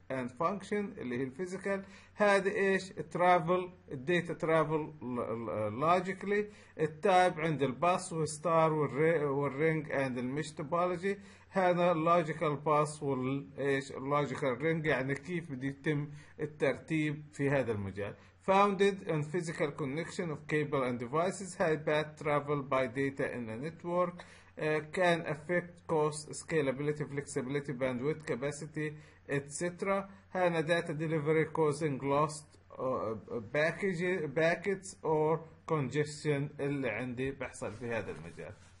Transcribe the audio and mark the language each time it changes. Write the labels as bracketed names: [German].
[English] and function [Arabic] اللي هي الفيزيكال. هذا ايش؟ الترافل الداتا ترافل لوجيكلي. التايب عند الباس والستار والرينج اند المش توبولوجي. هذا اللوجيكال باس والايش اللوجيكال رينج، يعني كيف بده يتم الترتيب في هذا المجال. [English] Founded on physical connection of cable and devices, high path travel by data in the network can affect cost, scalability, flexibility, bandwidth, capacity, etc. [Arabic] هنا [English] data delivery causing lost packets or congestion [Arabic] اللي عندي بحصل في هذا المجال.